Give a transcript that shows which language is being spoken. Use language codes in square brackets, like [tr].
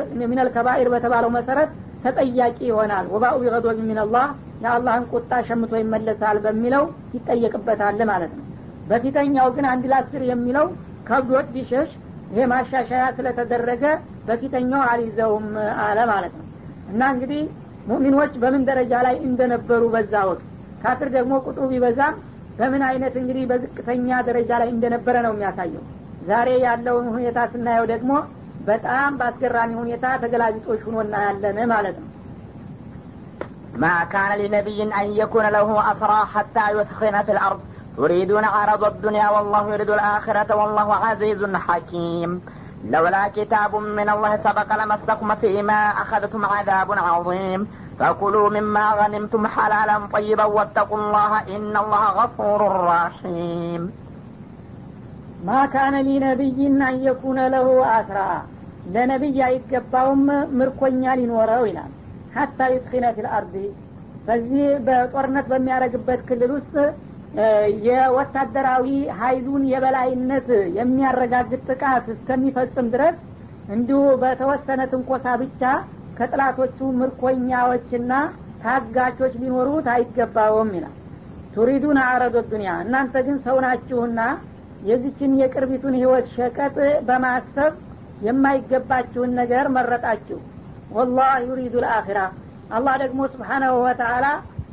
[am] ሚነል ከባኢር በተባለው መሰረት ተጠያቂ ይሆናል። ወባኡ ቢገደብ ሚንላህ ያአላህን ቁጣ ሸምቶ ይመለሳል በሚለው ይጠየቅበታል ማለት ነው። በፊተኛው ግን አንድ ላስር የሚለው ከብዶት ቢሸሽ ይሄ ማሻሻያ ስለተደረገ በፊተኛው አልይዘውም አለ ማለት ነው። እና እንግዲህ ሙእሚኖች በምን ደረጃ ላይ እንደነበሩ በዛው ካፍር ደግሞ ቁጡ ቢበዛ በምን አይነት እንግዲህ በዝቅተኛ ደረጃ ላይ እንደነበረ ነው የሚያሳየው። ዛሬ ያለውን ሁኔታ ስናየው ደግሞ በጣም ባስገራሚ ሁኔታ ተገላጭቶሽ ሆኖና ያለነ ማለት ነው። [ar] ما كان لنبي ان يكون له اسرى حتى يثخن في الارض يريدون عرض الدنيا والله يريد الاخره والله عزيز حكيم لولا كتاب من الله سبق لمسكم فيما اخذتم عذاب عظيم فكلوا مما غنمتم حلالا طيبا واتقوا الله ان الله غفور رحيم ما كان لنبي ان يكون له اسرى [am] ለነብይ አይገባውም ምርኮኛ ሊኖረው ይላል [ar] حتى يثخن في الارض [am] በዚህ በጦርነት በሚያረግበት ክልል ውስጥ የወታደራዊ ኃይሉን የበላይነት የሚያረጋግጥ ጥቃት እስከሚፈጽም ድረስ እንዲሁ በተወሰነ ትንኮሳ ብቻ ከጥላቶቹ ምርኮኛዎችና ታጋቾች ሊኖሩት አይገባውም ይላል። [ar] تريدون عرض الدنيا [am] እናንተ ግን ሰውናችሁና የዚችን የቅርቢቱን ህይወት ሸቀጥ በማሰብ የማይገባችሁን ነገር መረጣችሁ። [ar] والله يريد الاخره [am] الله ደግሞ [ar] سبحانه وتعالى